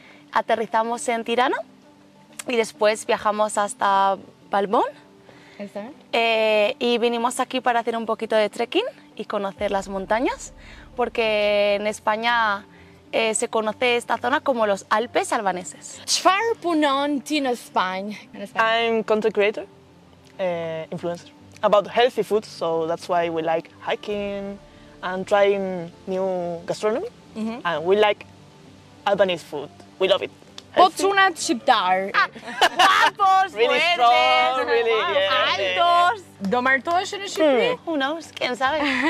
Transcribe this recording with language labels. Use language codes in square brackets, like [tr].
[es] Aterrizamos en Tirana y después viajamos hasta Balbón. Y vinimos aquí para hacer un poquito de trekking y conocer las montañas, porque en España se conoce esta zona como los Alpes albaneses. [sq] Çfarë punon ti në Spanjë? [en] I'm content creator, influencer, about healthy food, so that's why we like hiking and trying new gastronomy. And we like Albanese food. We love it. [sq] Po çunat shqiptar. [en] Papos, really strong, really [es] altos. [sq] Do martoheshin në Shqipëri? [en] Who knows? [es] Quién sabe.